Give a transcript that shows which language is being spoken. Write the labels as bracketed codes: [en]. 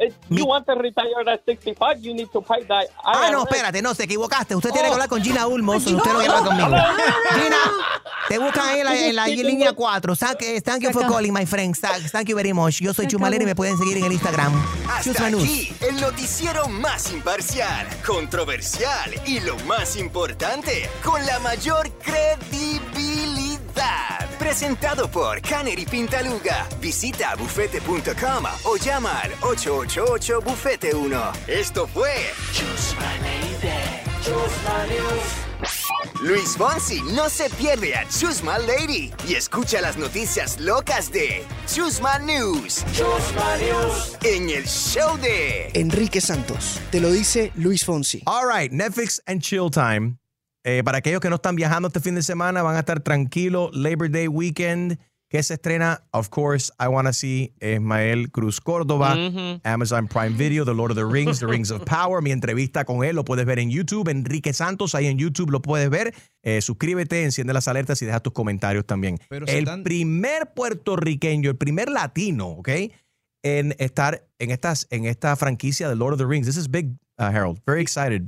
[en] You want to retire at 65, you need to pay that. [es] No, espérate, no, te equivocaste. Usted tiene que hablar con Gina Ulmos, usted no habla conmigo. Gina, te buscan ahí en la línea 4. [en] Thank you for calling, my friend. Thank you very much. [es] Yo soy Chumaleri y me pueden seguir en el Instagram. Hasta aquí, el noticiero más imparcial, controversial y lo más importante, con la mayor credibilidad. Presentado por Canary Pintaluga. Visita bufete.com o llama al 888-BUFETE-1. Esto fue Chusma News. Luis Fonsi no se pierde a Chusma Lady y escucha las noticias locas de Chusma News. Chusma News. En el show de Enrique Santos. Te lo dice Luis Fonsi. [en] All right, Netflix and chill time. [es] Para aquellos que no están viajando este fin de semana, van a estar tranquilos. [en] Labor Day weekend. [es] ¿Qué se estrena? [en] Of course, I want to see Ismael Cruz Córdoba, mm-hmm. Amazon Prime Video, The Lord of the Rings, The Rings of Power. [es] Mi entrevista con él lo puedes ver en YouTube. Enrique Santos, ahí en YouTube lo puedes ver. Suscríbete, enciende las alertas y deja tus comentarios también. Pero el primer puertorriqueño, el primer latino, ¿ok? En estar en esta franquicia de Lord of the Rings. [en] This is big, Harold. Very excited